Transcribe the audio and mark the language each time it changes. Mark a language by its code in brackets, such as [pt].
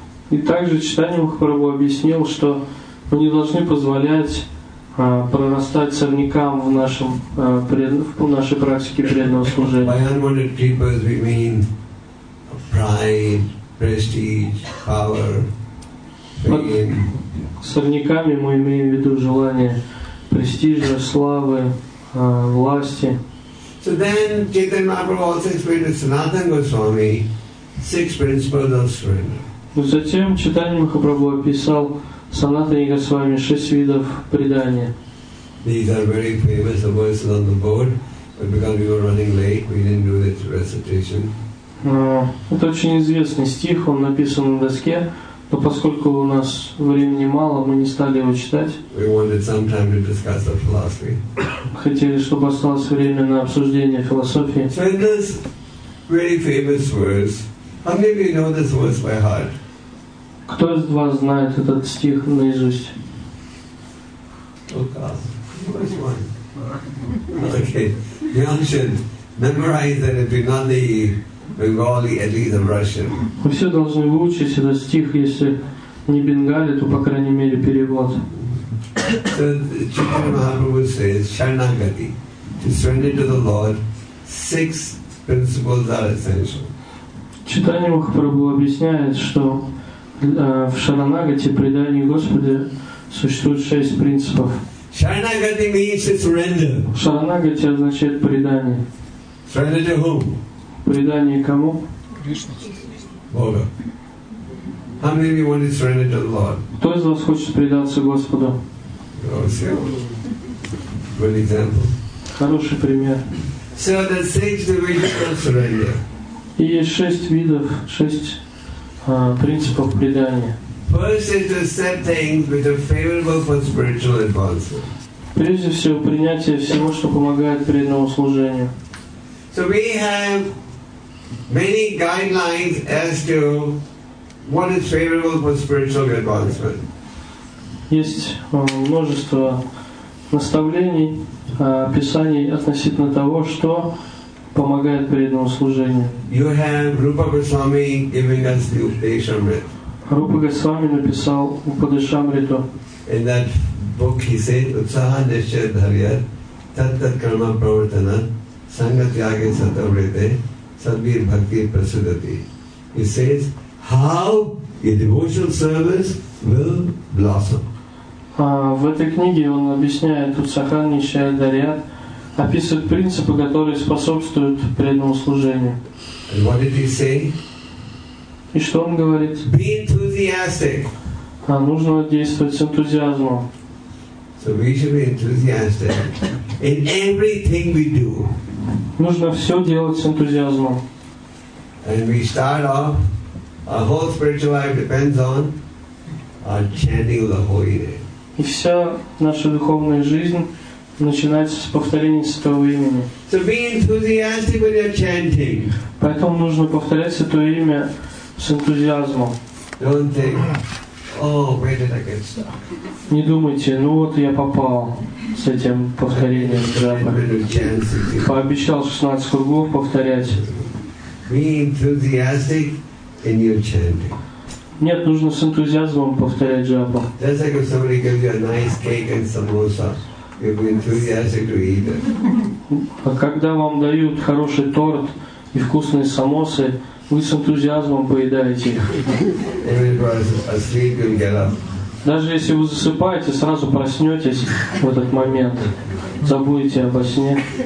[ru] И также Чайтанья Махапрабху объяснил, что мы не должны позволять прорастать сорнякам в нашем в нашей практике преданного служения. [en] By unwanted creepers we mean pride, prestige, power, fame. [ru] Сорняками мы имеем в виду желание престижа, славы, власти. [en] So then Chaitanya Mahaprabhu also explained to Sanatana Goswami six principles of surrender. [ru] Затем Чайтанья Махапрабху описал Санатане Госвами шесть видов предания. [en] These are very famous verses on the board, but because we were running late, we didn't do this recitation. [ru] Это очень известный стих, он написан на доске, но поскольку у нас времени мало, мы не стали его читать. [en] We wanted some time to discuss the philosophy. [ru] Хотели, чтобы осталось время на обсуждение философии. [en] So in this very famous verse, how many of you know this verse by heart? [ru] Кто из вас знает этот стих наизусть? [en] Okay. You should memorize that if you're not the Bengali, at least the Russian. [ru] Вы все должны выучить этот стих, если не бенгали, то по крайней мере перевод. [en] So, Chaitanya Mahaprabhu says, Sharanagati, to surrender to the Lord, six principles are essential. [ru] Чайтанья Махапрабху объясняет, что в Шаранагати, предании Господа, существует шесть принципов. [en] Шаранагати means to surrender. [ru] Шаранагати означает предание. [en] Surrender to whom? [ru] Предание кому? Бога. [en] How many of you want to surrender to the Lord? [ru] Кто из вас хочет предаться Господу? [en] Good example. [ru] Хороший пример. [en] So the six divisions of surrender. [ru] И есть шесть видов, шесть принципов предания. [en] First is to accept things which are favorable for spiritual advancement. [ru] Прежде всего, принятие всего, что помогает преданному служению. [en] So we have many guidelines as to what is favorable for spiritual advancement. [ru] Есть множество наставлений, писаний относительно того, что помогает преданному служению. [en] You have Rupa Goswami giving us the Upadeshamrita. [ru] Rupa Goswami написал Упадешамриту. [en] In that book he said, [sa] Utsaha Nishya Dharyat Tattat Karma Pravartana Sangat Yage Satavrite Sadvir Bhakti Prasudati. [en] He says, how your devotional service will blossom. [ru] В этой книге он объясняет Утсахани и Шайдарьян, описывает принципы, которые способствуют преданному служению. [en] And what did he say? [ru] И что он говорит? [en] Be enthusiastic. [ru] Нужно действовать с энтузиазмом. [en] So we should be enthusiastic in everything we do. [ru] Нужно все делать с энтузиазмом. [en] And we start off, our whole spiritual life depends on our chanting of the holy name. [ru] И вся наша духовная жизнь начинается с повторения Святого Имени. [en] So be enthusiastic when you're chanting. [ru] Поэтому нужно повторять Святое Имя с энтузиазмом. [en] Don't think, oh, where did I get stuck? [ru] Не думайте, ну вот я попал с этим повторением джапы. Пообещал 16 кругов повторять. [en] Be enthusiastic in your chanting. [ru] Нет, нужно с энтузиазмом повторять джапу. [en] Just like if somebody gives you a nice cake and samosa, you'll be enthusiastic to eat it. [ru] А когда вам дают хороший торт и вкусные самосы, вы с энтузиазмом поедаете их. [en] Even if you're asleep, you'll get up. [ru] Даже если вы засыпаете, сразу проснетесь в этот момент, забудете обо сне.